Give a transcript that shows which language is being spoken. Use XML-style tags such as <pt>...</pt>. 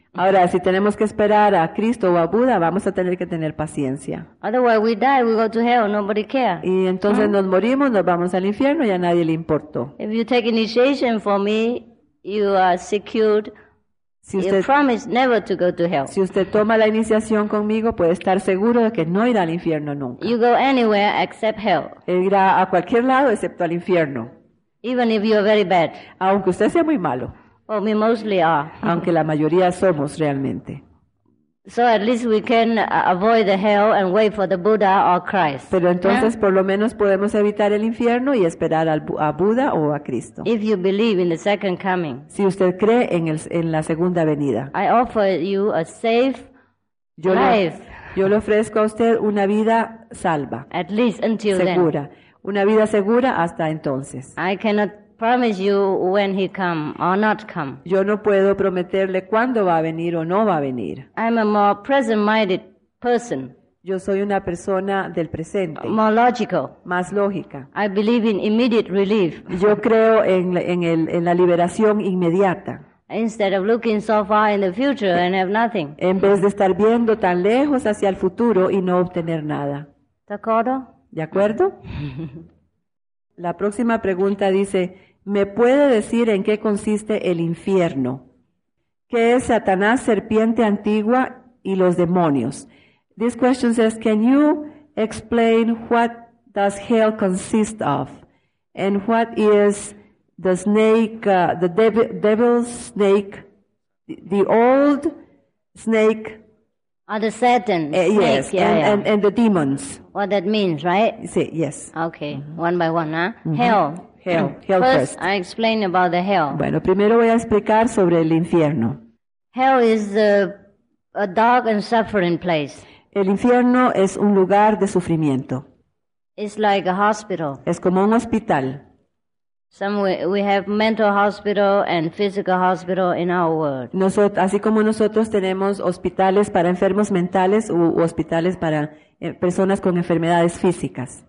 <es>Ahora, si tenemos que esperar a Cristo o a Buddha, vamos a tener que tener paciencia.</es> <en>Otherwise we die, we go to hell, nobody care.</en> <es>Y entonces nos morimos, nos vamos al infierno y a nadie le importó.</es> <en>If you take initiation for me, you are secured. You promise never to go to hell.</en> <es>Si usted toma la iniciación conmigo, puede estar seguro de que no irá al infierno nunca.</es> <en>You go anywhere except hell.</en> <es>Irá a cualquier lado excepto al infierno.</es> <en>Even if you are very bad.</en> <es>Aunque usted sea muy malo.</es> <en>Well, we mostly are.</en> <es>Aunque la mayoría somos realmente.</es> <en>So at least we can avoid the hell and wait for the Buddha or Christ.</en> <es>Pero entonces por lo menos podemos evitar el infierno y esperar a Buda o a Cristo.</es> <en>If you believe in the second coming.</en> <es>Si usted cree en la segunda venida.</es> <en>I offer you a safe life.</en> <es>Yo le ofrezco a usted una vida salva.</es> <en>At least until</en> <es>segura.</es> <en>Then.</en> <es>Segura. Una vida segura hasta entonces.</es> <en>I cannot promise you when he come or not come.</en> <es>Yo no puedo prometerle cuándo va a venir o no va a venir.</es> <en>I'm a more present-minded person.</en> <es>Yo soy una persona del presente.</es> <en>More logical.</en> <es>Más lógica.</es> <en>I believe in immediate relief.</en> <es>Yo creo en la liberación inmediata.</es> <en>Instead of looking so far in the future and have nothing.</en> <es>En vez de estar viendo tan lejos hacia el futuro y no obtener nada. ¿De acuerdo? ¿De acuerdo? La próxima pregunta dice, ¿me puede decir en qué consiste el infierno? ¿Qué es Satanás, serpiente antigua y los demonios?</es> <en>This question says, can you explain what does hell consist of? And what is the snake, the devil snake, the old snake? Are the Satan, snake, yes, and the demons. What that means, right?</en> <es>Sí, yes.</es> <en>Okay, mm-hmm. One by one, huh? Mm-hmm. Hell. Hell, hell first. First, I explain about the hell.</en> <es>Bueno, primero voy a explicar sobre el infierno.</es> <en>Hell is a dark and suffering place.</en> <es>El infierno es un lugar de sufrimiento.</es> <en>It's like a hospital.</en> <es>Es como un hospital.</es> <en>Somewhere we have mental hospital and physical hospital in our world.</en> <es>Así como nosotros tenemos hospitales para enfermos mentales u hospitales para personas con enfermedades físicas.</es>